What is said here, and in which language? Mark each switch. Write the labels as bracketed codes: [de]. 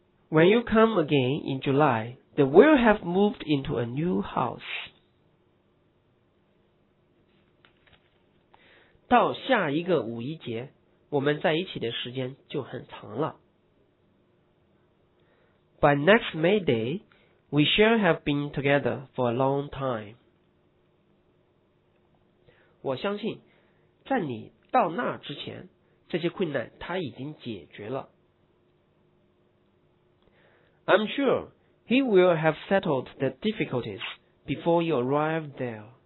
[en] When you come again in July, they will have moved into a new house. [zh] 到下一个五一节，我们在一起的时间就很长了。 [en] By next May Day, we shall have been together for a long time. [zh] 我相信，在你到那之前，这些困难他已经解决了。 [en] I'm sure he will have settled the difficulties before you arrive there.